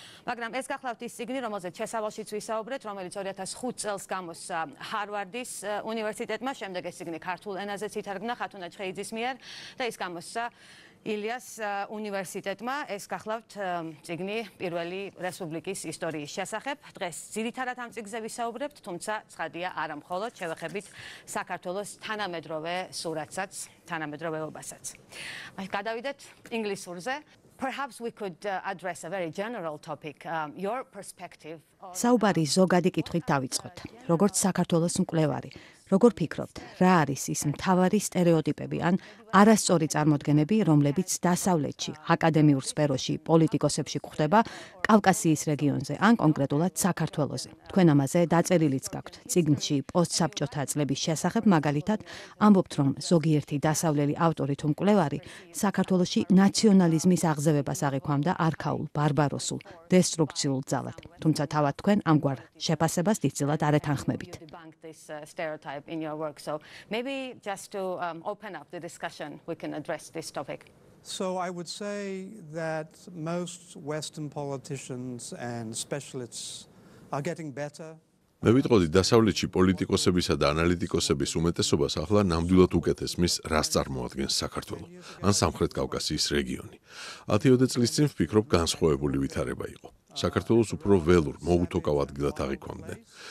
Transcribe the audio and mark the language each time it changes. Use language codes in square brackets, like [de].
[ka] მაგრამ ეს გახლავთ ის ციგნი, რომელზეც შესავალშიც ვისაუბრეთ, რომელიც 2005 წელს გამოსცა ჰარვარდის უნივერსიტეტმა, შემდეგ ეს ციგნი ქართულ ენაზე ითარგმნა ხათუნა ჩხეიძის მიერ და ის გამოსცა ილიას უნივერსიტეტმა. ეს გახლავთ ციგნი პირველი რესპუბლიკის ისტორიის შესახებ. დღეს ძირითადად ამ ციგნზე ვისაუბრებთ, თუმცა ცხადია არა მხოლოდ, შევეხებით საქართველოს თანამედროვე სურათსაც, თანამედროვეობასაც. აი გადავიდეთ ინგლისურზე. [en] Perhaps we could address a very general topic, your perspective. [ka] საუბარი ზოგადი კითხვით დავიწყოთ. როგორც საქართველოს მკვლევარი, როგორ ფიქრობთ, რა არის ის მთავარი სტერეოტიპები ან არასწორი წარმოდგენები, რომლებიც დასავლეთში, აკადემიურ სფეროში, პოლიტიკოსებში გვხვდება, კავკასიის რეგიონზე ან კონკრეტულად საქართველოზე? თქვენ ამაზე დაწერილიც გაქვთ წიგნში პოსტსაბჭოთა წლების შესახებ. მაგალითად, ამბობთ, რომ ზოგიერთი დასავლელი ავტორი თუ მკვლევარი საქართველოში ნაციონალიზმის აღზევებას აღიქვამდა არქაულ, ბარბაროსულ, დესტრუქციულ ძალად. თუმცა თავად თქვენ ამგვარ შეფასებას დიდწილად არეთანხმებით. [en] Type in your work, so maybe just to open up the discussion we can address this topic. So I would say that most Western politicians and specialists are getting better. [ka] მე ვიტყოდი, დასავლეთში პოლიტიკოსებისა და ანალიტიკოსების უმეტესობას ახლა ნამდვილად უკეთესმის, რას წარმოადგენს საქართველო ან სამხრეთ კავკასიის რეგიონი. 10-20 წლის წინ ვფიქრობ განსხვავებული ვითარება იყო. საქართველოს უფრო ველურ, მოუთოკავ ადგილად აღიქვამდნენ.